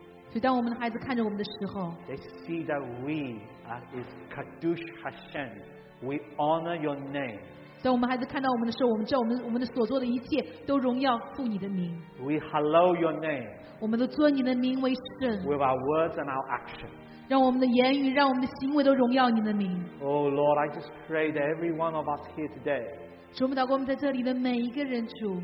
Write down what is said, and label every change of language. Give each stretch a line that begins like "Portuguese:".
Chinese: 所以当我们的孩子看着我们的时候
English: ，they see that we are is
Hebrew: kadosh Hashem,
English: we honor your name.
Chinese: 当我们孩子看到我们的时候，我们知道我们的所做的一切都荣耀父你的名。
English: We hallow your name.
Chinese: 我们都尊你的名为圣。
English: With our words and our actions.
Chinese: 让我们的言语，让我们的行为都荣耀你的名。
English: Oh Lord, I just pray that every one of us here today.
Chinese: 主，我们祷告我们在这里的每一个人，主。